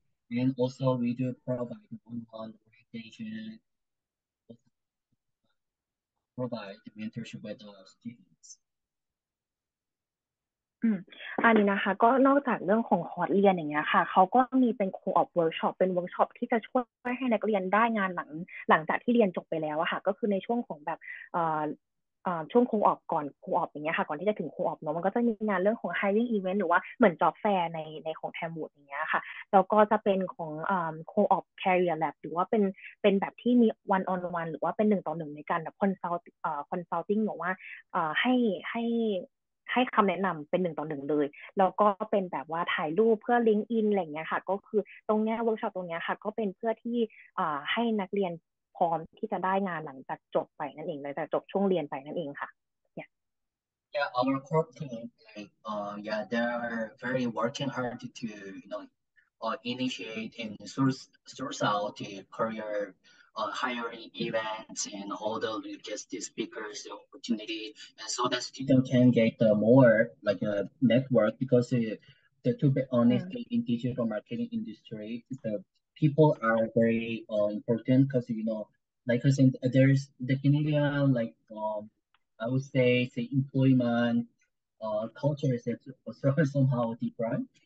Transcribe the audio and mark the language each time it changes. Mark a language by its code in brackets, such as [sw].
[en] And also we do provide one-on-one orientation provide the mentorship with our students. [th] อันนี้นะคะก็นอกจากเรื่องของคอร์สเรียนอย่างเงี้ยค่ะเขาก็มีเป็นโคออปเวิร์กช็อปเป็นเวิร์กช็อปที่จะช่วยให้นักเรียนได้งานหลังจากที่เรียนจบไปแล้วอะค่ะก็คือในช่วงของแบบ ช่วงโคออปก่อนโคออปอย่างเงี้ยค่ะก่อนที่จะถึงโคออปเนาะมันก็จะมีงานเรื่องของ hiring event หรือว่าเหมือน job fair ในของแทมวูดอย่างเงี้ยค่ะแล้วก็จะเป็นของโคออป career lab หรือว่าเป็นแบบที่มี one on one หรือว่าเป็น1-1ในการแบบ consulting บอกว่าให้คําแนะนําเป็น1-1เลยแล้วก็เป็นแบบว่าถ่ายรูปเพื่อลิงก์อินอะไรเงี้ยค่ะก็คือตรงเนี้ยเวิร์กช็อปตรงเนี้ยค่ะก็เป็นเพื่อที่ให้นักเรียนพร้อมที่จะได้งานหลังจากจบไปนั่นเองหลังจากจบช่วงเรียนไปนั่นเองค่ะ [en] Yeah, our core team, like, yeah, they're very working hard to, you know, initiate and source out the career hiring events and all the logistics speakers the opportunity, and so that student can get more like a network, because to be honest, in digital marketing industry, the people are very important, because you know, like I said, there's the Canadian, like I would say employment culture is also somehow different.